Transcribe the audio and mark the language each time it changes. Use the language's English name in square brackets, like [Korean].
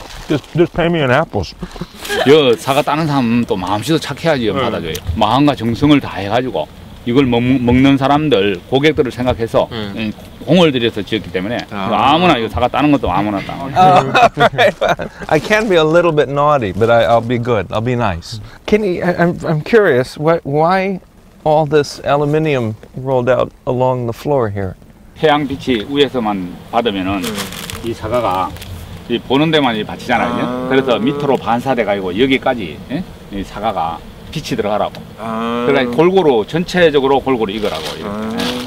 [English] Just pay me in apples. [Korean] 여 사과 따는 사람 또 마음씨도 착해야지 받아줘요. 마음과 정성을 다 해가지고. 이걸 먹는 사람들, 고객들을 생각해서 공을 들여서 지었기 때문에 아무나 이거 사과 따는 것도 아무나 따. [English] I can be a little bit naughty, but I'll be good. I'll be nice. I'm curious, why all this aluminium rolled out along the floor here? [Korean] 태양 빛이 위에서만 받으면은 이 사과가 이 보는 데만 이 받치잖아요. 그래서 밑으로 반사돼 가지고 여기까지 이 사과가 빛이 들어가라고. 그러니까 골고루 전체적으로 골고루 익으라고 이렇게.